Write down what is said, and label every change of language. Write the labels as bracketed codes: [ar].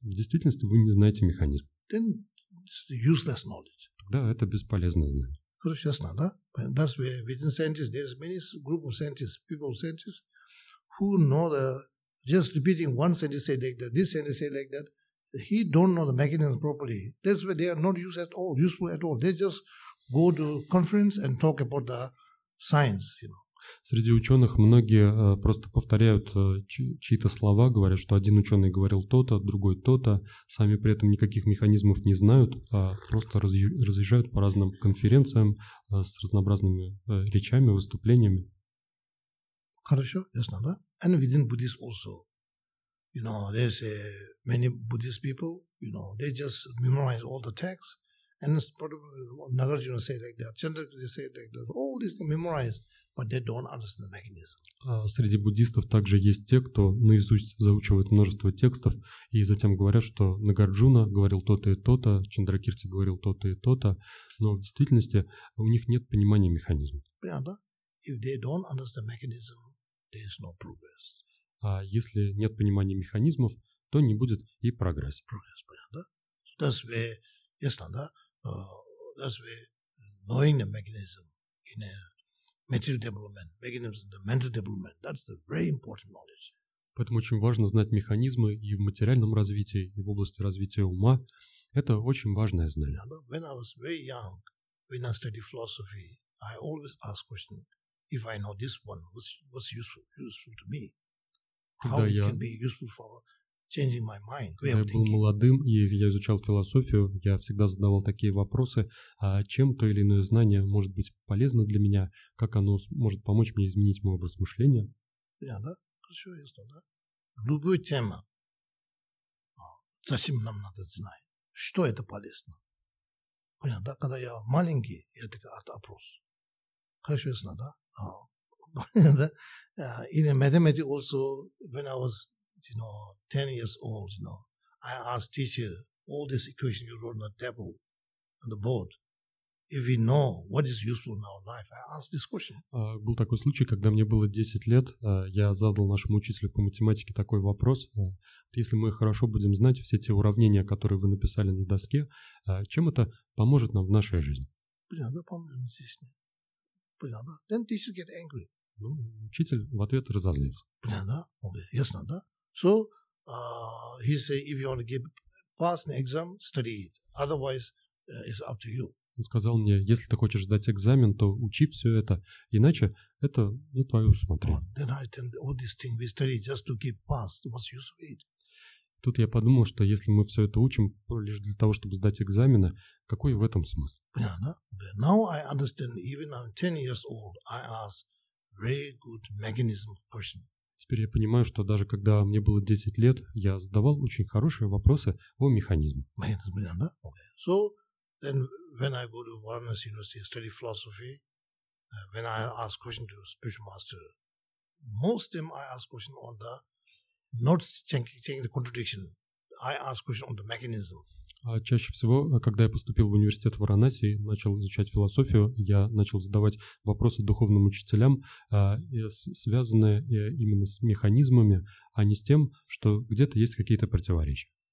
[ru] В действительности вы не знаете механизм. [en] Then it's useless knowledge. [ru] Тогда это бесполезное знание. Хорошо, ясно, да? [en] That's where within scientists there's many group of scientists, people of scientists who know the just repeating one sentence say like that, this sentence say like that. He don't know the mechanism properly. That's why they are not used at all, useful at all. They just go to conference and talk about the science, you know. [ru] Среди ученых многие просто повторяют чьи-то слова, говорят, что один ученый говорил то-то, другой то-то, сами при этом никаких механизмов не знают, а просто разъезжают по разным конференциям с разнообразными речами, выступлениями. Хорошо, ясно, да? [en] And within Buddhists also, you know, there's many Buddhist people, you know, they just memorize all the texts, and it's probably Nagarjuna say like that, Chandrakirti say like that, all these things memorized. But they don't understand the mechanism. [ru] Среди буддистов также есть те, кто наизусть заучивает множество текстов и затем говорят, что Нагарджуна говорил то-то и то-то, Чандракирти говорил то-то и то-то, но в действительности у них нет понимания механизма. Понятно? [en] If they don't understand the mechanism, there is no progress. [ru] А если нет понимания механизмов, то не будет и прогресса. Прогресс, понятно? [en] So that's where, [ru] ясно, да? [en] That's where knowing the mechanism in a material development, mechanisms of the mental development. That's the very important knowledge. [ru] Поэтому очень важно знать механизмы и в материальном развитии, и в области развития ума. Это очень важное знание. [en] When I was very young, when I studied philosophy, I always asked question, if I know this one, what's useful to me? How it can be useful for changing my mind? [ru] Когда я был молодым, и я изучал философию, я всегда задавал такие вопросы, а чем то или иное знание может быть полезно для меня, как оно может помочь мне изменить мой образ мышления? Да, да, хорошо, ясно, да. Любую тему, зачем нам надо знать, что это полезно? Понятно, да, когда я маленький, я такой опрос. Хорошо, ясно, да. [en] In mathematics also, when I was, you know, 10 years old, you know, I asked teacher, all this equation you wrote on the table, on the board, if we know what is useful in our life, I asked this question. [ru] Был такой случай, когда мне было 10 лет, я задал нашему учителю по математике такой вопрос, если мы хорошо будем знать все те уравнения, которые вы написали на доске, чем это поможет нам в нашей жизни? Блин, да, по-моему, здесь. Блин, да. [en] Then teacher get angry. [ru] Ну, учитель в ответ разозлился. Блин, да, ясно, да. [en] So, he say, if you want to give pass an exam, study it. Otherwise, it's up to you. [ru] Он сказал мне, если ты хочешь сдать экзамен, то учи все это. Иначе это на твое усмотрение. [en] Then I think all these things we study just to give pass. What's use of it? [ru] Тут я подумал, что если мы все это учим лишь для того, чтобы сдать экзамены, какой в этом смысл? Понятно. [en] Yeah, now I understand, even I'm 10 years old, I ask very good mechanism question. [ru] Теперь я понимаю, что даже когда мне было 10 лет, я задавал очень хорошие вопросы о механизмах. [en] So, then when I go to Varanasi University, study philosophy, when I ask question to spiritual master, most of them I ask question on the not checking the contradiction. I ask question on the mechanism. [ru] Чаще всего, когда я поступил в университет в Варанаси, начал изучать философию, я начал задавать вопросы духовным учителям, связанные именно с механизмами, а не с тем, что где-то есть какие-то противоречия.